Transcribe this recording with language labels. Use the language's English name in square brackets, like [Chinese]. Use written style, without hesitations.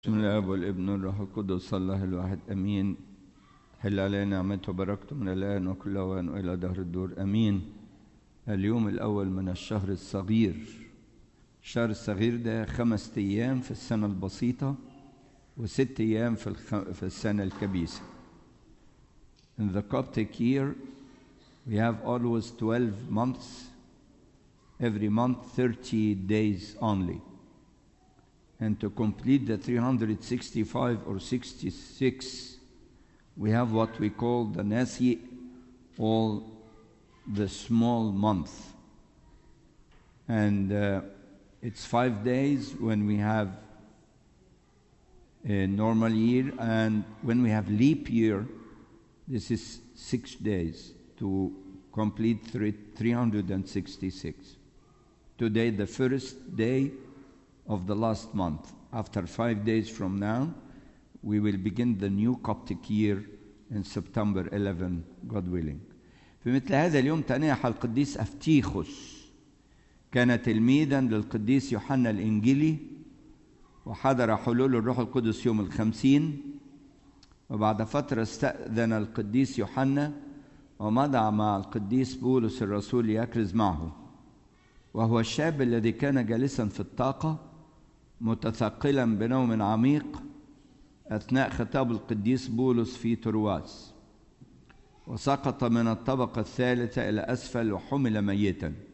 [Arabic] بسم الأب والابن والروح القدس الله الواحد أمين. هل علينا نعمته وبركته من الآن وكل أوان وإلى دهر الدور أمين. اليوم الأول من الشهر الصغير، الشهر الصغير ده 5 أيام في السنة البسيطة وست أيام في السنة الكبيسة. [English] In the Coptic year we have always 12 months, every month 30 days only. And to complete the 365 or 66, we have what we call the Nasi, all the small month. And it's 5 days when we have a normal year, and when we have leap year, this is 6 days to complete 366. Today, the first day of the last month. After 5 days from now, we will begin the new Coptic year in September 11, God willing. [Arabic] في مثل هذا اليوم تناح القديس أفتيخوس كان تلميذا للقديس يوحنا الإنجيلي وحضر حلول الروح القدس يوم 50. وبعد فترة استأذن القديس يوحنا ومضى مع القديس بولس الرسول ليكرز معه، وهو الشاب الذي كان جالسا في الطاقة متثقلا بنوم عميق أثناء خطاب القديس بولس في ترواس، وسقط من الطبقة الثالثة إلى أسفل وحمل ميتا.